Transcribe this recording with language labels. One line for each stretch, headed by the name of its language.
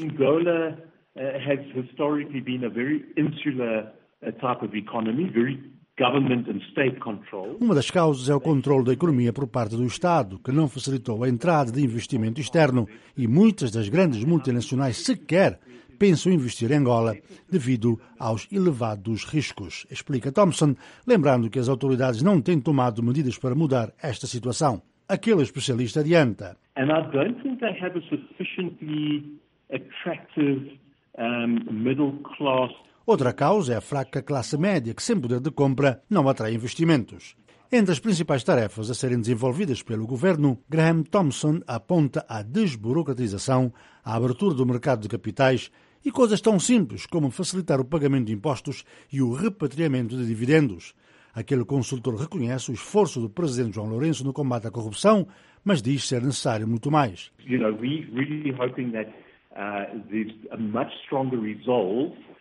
English: Angola has historically been a very insular type of economy, very government and state control.
Portuguese: Uma das causas é o controle da economia por parte do Estado, que não facilitou a entrada de investimento externo, e muitas das grandes multinacionais sequer pensam investir em Angola devido aos elevados riscos, explica Thompson, lembrando que as autoridades não têm tomado medidas para mudar esta situação. Aquele especialista adianta.
English: And I don't think they have a sufficiently attractive middle class.
Portuguese: Outra causa é a fraca classe média, que sem poder de compra não atrai investimentos. Entre as principais tarefas a serem desenvolvidas pelo governo, Graham Thompson aponta a desburocratização, a abertura do mercado de capitais e coisas tão simples como facilitar o pagamento de impostos e o repatriamento de dividendos. Aquele consultor reconhece o esforço do presidente João Lourenço no combate à corrupção, mas diz ser necessário muito mais.
English: You know, we really hoping that there's a much stronger resolve.